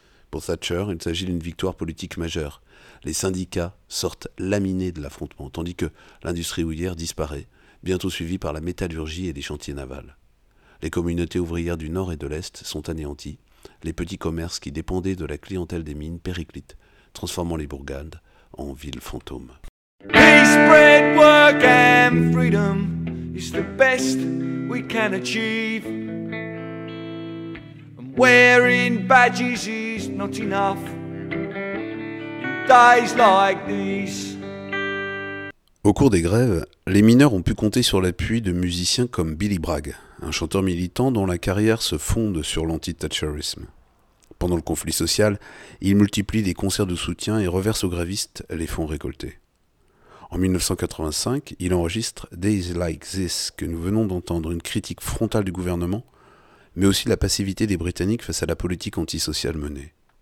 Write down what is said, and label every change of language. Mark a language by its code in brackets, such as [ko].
[fr] Pour Thatcher, il s'agit d'une victoire politique majeure. Les syndicats sortent laminés de l'affrontement, tandis que l'industrie houillère disparaît, bientôt suivie par la métallurgie et les chantiers navals. Les communautés ouvrières du Nord et de l'Est sont anéanties. Les petits commerces qui dépendaient de la clientèle des mines périclitent, transformant les bourgades en ville fantôme. [en] Peace, bread, work and freedom is the best we can achieve. And wearing badges is not enough in days like these. [fr] Au cours des grèves, les mineurs ont pu compter sur l'appui de musiciens comme Billy Bragg, un chanteur militant dont la carrière se fonde sur l'anti-thatcherisme. Pendant le conflit social, il multiplie des concerts de soutien et reverse aux grévistes les fonds récoltés. En 1985, il enregistre « Days Like This » que nous venons d'entendre, une critique frontale du gouvernement, mais aussi la passivité des Britanniques face à la politique antisociale menée.